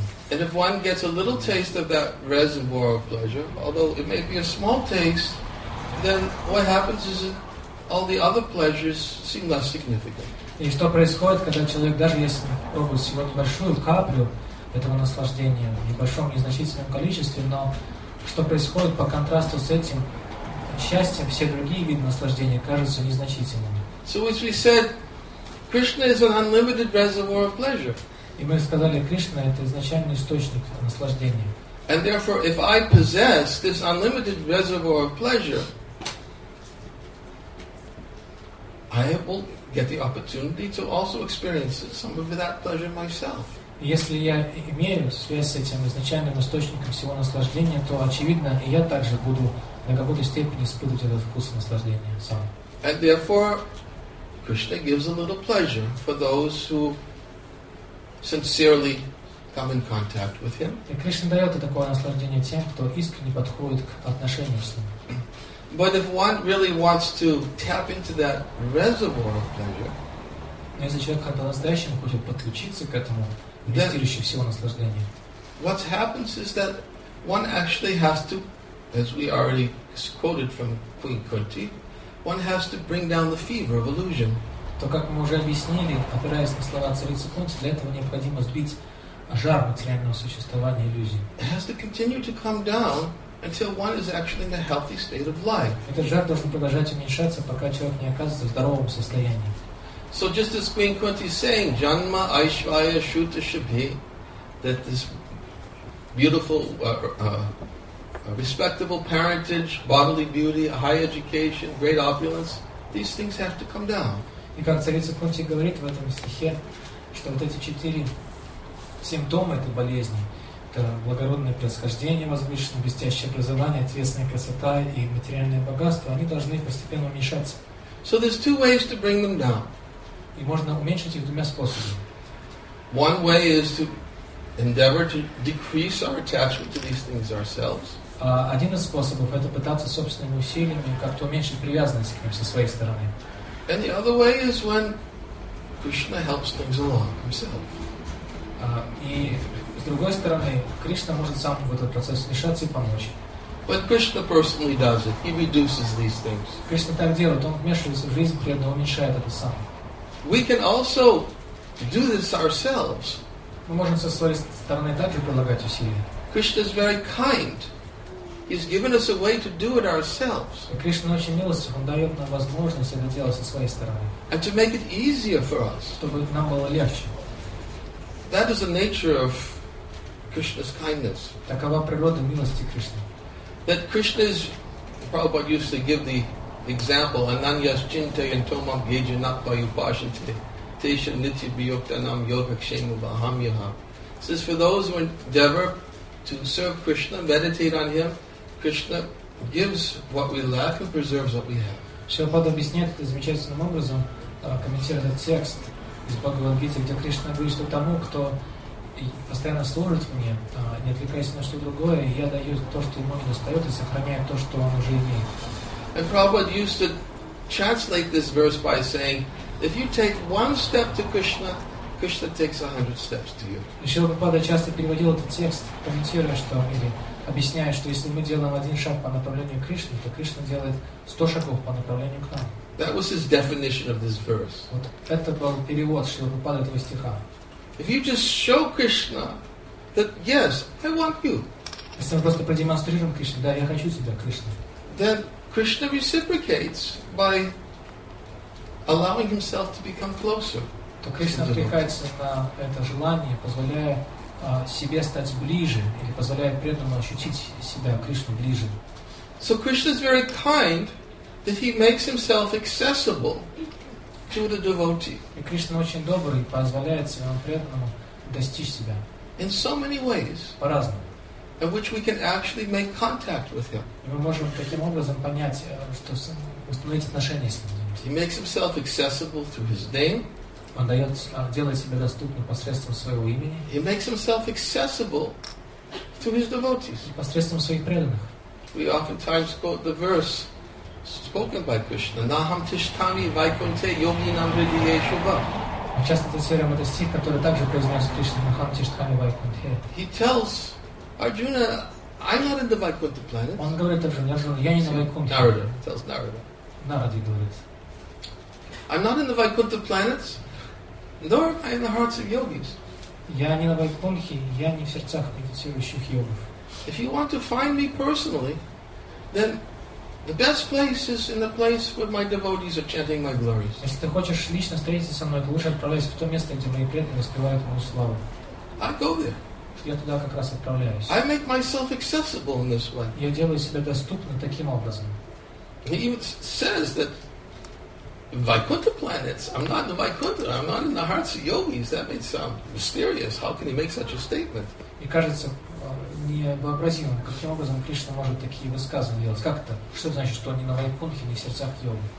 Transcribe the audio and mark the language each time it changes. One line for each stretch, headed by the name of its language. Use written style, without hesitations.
English: And if one gets a little taste of that reservoir of pleasure, although it may be a small taste, then what happens is that all the other pleasures seem less significant.
Russian: И что происходит, когда человек даже если пробует всего небольшую каплю этого наслаждения в небольшом незначительном количестве, но что происходит по контрасту с этим счастьем, все другие виды наслаждения кажутся незначительными.
English: So as we said, Krishna is an unlimited reservoir of pleasure.
Russian: И мы сказали, Кришна это изначальный источник наслаждения.
English: And therefore, if I possess this unlimited reservoir of pleasure, I will get the opportunity to also experience some of that pleasure myself.
Russian: Если я имею связь с этим изначальным источником всего наслаждения, то очевидно, и я также буду на какой-то степени испытывать этот вкус наслаждения сам.
English: And therefore, Krishna gives a little pleasure for those who sincerely come in contact with Him.
Russian: И Кришна дает такое наслаждение тем, кто искренне подходит к отношениям с Ним.
English: But if one really wants to tap into that reservoir of pleasure,
Russian: но если человек по-настоящему хочет подключиться к этому вместилище всего наслаждения,
English: what happens is that one actually has to, as we already quoted from Queen Kunti, one has to bring down the fever of illusion.
Russian: То, как мы уже объяснили, опираясь на слова царицы Кунти, для этого необходимо сбить жар материального существования иллюзии.
English: It has to continue to come down until one is actually in a healthy state of life.
Russian: Этот жар должен продолжать уменьшаться, пока человек не оказывается в здоровом состоянии.
English: So just as Queen Kunti is saying,
Sanskrit: Janma Aishvaya Shuta Shabhi,
English: that this beautiful, respectable parentage, bodily beauty, high education, great opulence, these things have to come down.
Russian: И как царица Кунти говорит в этом стихе, что вот эти четыре симптомы этой болезни, это благородное происхождение, возвышенное, блестящее образование, ответственная красота и материальное богатство, они должны постепенно уменьшаться.
English: So there's two ways to bring them down.
Russian: И можно уменьшить их двумя способами.
English: One way is to endeavor to decrease our attachment to these things ourselves.
Russian: Один из способов это пытаться собственными усилиями как-то уменьшить привязанность к ним со своей стороны.
English: And the other way is when Krishna helps things along himself.
Russian: И с другой стороны, Кришна может сам в этот процесс вмешаться и помочь.
English: But Krishna personally does it. He reduces these things.
Russian: Кришна так делает. Он вмешивается в жизнь, при этом уменьшает это сам.
English: We can also do this ourselves.
Russian: Мы можем со своей стороны также прилагать усилия.
English: Krishna is very kind. He's given us a way to do it ourselves.
Russian: И Кришна очень милостив. Он дает нам возможность это делать со своей стороны.
English: And to make it easier for us.
Russian: Чтобы нам было легче.
English: That is the nature of Krishna's kindness.
Russian: Такова природа милости Кришны.
English: That Krishna is, Prabhupada used to give the example,
Sanskrit: Ananyas chintayantomam yejanapayupashante tesha nityabhiyoktanam yogakshemubahamyaha.
English: Says for those who endeavor to serve Krishna, meditate on Him, Krishna gives what we lack and preserves what we have.
Russian: Шилпада объясняет это замечательным образом, комментируя этот текст из Бхагавад-гиты, где Кришна говорит, что тому, кто постоянно служит мне, не отвлекаясь на что другое, я даю то, что ему не достает, и сохраняю то, что он уже имеет.
English: And Prabhupada used to translate this verse by saying, if you take one step to Krishna, Krishna takes 100 steps to you.
Russian: И Шрила Прабхупада часто переводил этот текст, комментируя, что или объясняя, что если мы делаем один шаг по направлению к Кришне, то Кришна делает 100 шагов по направлению к нам.
English: That was his definition of this verse.
Russian: Вот это был перевод Шрила Прабхупады этого стиха.
English: If you just show Krishna that yes, I want you.
Russian: Если мы просто продемонстрируем Кришне, да, я хочу тебя, Кришна.
English: Then Krishna reciprocates by allowing himself to become closer.
Russian: То Кришна откликается на это желание, позволяя себе стать ближе или позволяя преданному ощутить себя Кришну ближе.
English: So Krishna is very kind that he makes himself accessible to the devotee.
Russian: И Кришна очень добрый, позволяет своему преданному достичь себя.
English: In so many ways.
Russian: По-разному.
English: In which we can actually make contact with him.
Russian: И мы можем таким образом понять, что установить отношения с ним.
English: He makes himself accessible through his name.
Russian: Он делает себя доступным посредством своего имени.
English: He makes himself accessible to his devotees.
Russian: И посредством своих преданных.
English: We oftentimes quote the verse spoken by Krishna,
Sanskrit: Naham Tishtami Vaikunte Yogi Namridiyeshuva.
Russian: Мы часто цитируем этот стих, который также произносит Кришна
Sanskrit: Махамтиштхами Вайкунтхе.
English: He tells Arjuna, I'm not in the Vaikuntha planet.
Russian: Он говорит Арджуне, я не на Вайкунтхе.
English: Narada tells Narada.
Russian: Narada говорит.
English: I'm not in the Vaikuntha planets, nor am I in the hearts of yogis.
Russian: Я не на Вайкунтхе, я не в сердцах медитирующих йогов.
English: If you want to find me personally, then the best place is in the place where my devotees are chanting my glories.
Russian: Если ты хочешь лично встретиться со мной, то лучше отправляйся в то место, где мои преданные воспевают мою славу.
English: I go there.
Russian: Я туда как раз отправляюсь.
English: I make myself accessible in this way.
Russian: Я делаю себя доступным таким образом.
English: He even says that Vaikuntha planets. I'm not in the Vaikuntha. I'm not in the hearts of yogis. That may sound mysterious. How can he make such a statement?
Russian: Мне кажется невообразимым, каким образом Кришна может такие высказывания делать. Как это? Что это значит, что он не на Вайкунтхе, не в сердцах йоги?